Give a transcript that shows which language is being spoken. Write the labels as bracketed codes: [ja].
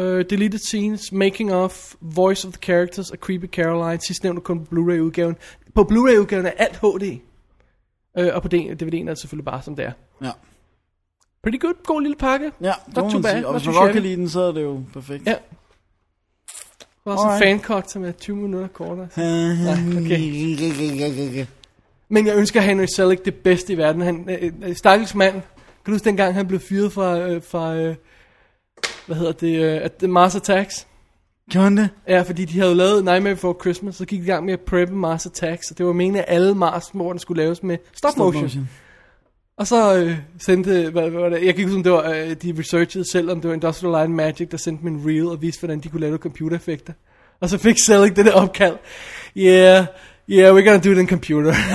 [en] Deleted scenes, making of, voice of the characters, a creepy Caroline. [da] Sidst nævnte kun på Blu-ray-udgaven. På Blu-ray-udgaven er alt HD. Og på DVD'en er det selvfølgelig bare som det er. Ja. [en] Pretty good. [da] God lille pakke. Ja, det må man sige. Og hvis man kan lide den, så er det jo perfekt. Ja. Der er også en fan-cut, som er 20 minutter kortere. Okay. Men jeg ønsker Henry Selick det bedste i verden. Han er stakkels mand. Kan du huske dengang, han blev fyret fra... hvad hedder det? At Mars Attacks. Gjorde det? Ja, fordi de havde lavet Nightmare Before Christmas, så gik de i gang med at preppe Mars Attacks, og det var meningen, at alle Mars-morderne skulle laves med stop motion. Og så sendte, hvad var det, jeg gik ud som det var, de researchede selv, om det var Industrial Light & Magic, der sendte min reel og viste, hvordan de kunne lave computereffekter. Og så fik Selig det der opkald. [en] Yeah, we're gonna do it in computer.